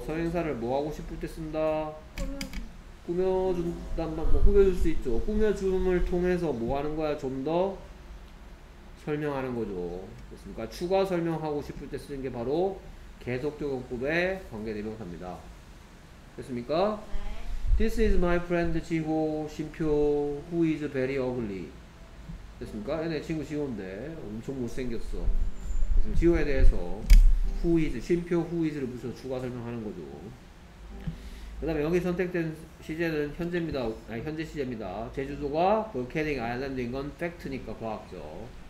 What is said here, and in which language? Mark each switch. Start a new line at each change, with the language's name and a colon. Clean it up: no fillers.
Korean: 선행사를 뭐 하고 싶을 때 쓴다? 꾸며줄 수 있죠. 꾸며줌을 통해서 뭐 하는 거야? 좀 더 설명하는 거죠. 그렇습니까? 추가 설명하고 싶을 때 쓰는 게 바로 계속적 용법의 관계대명사입니다. 됐습니까? 네.
English: This is my friend 지호 심표 who is very ugly.
Korean: 됐습니까? 얘네 친구 지호인데 엄청 못생겼어. 지호에 대해서 who is, 심표 who is를 붙여서 추가 설명하는 거죠. 그 다음에 여기 선택된 시제는 현재입니다. 아니 현재 시제입니다. 제주도가 볼케닉 아일랜드인 건 팩트니까 과학죠.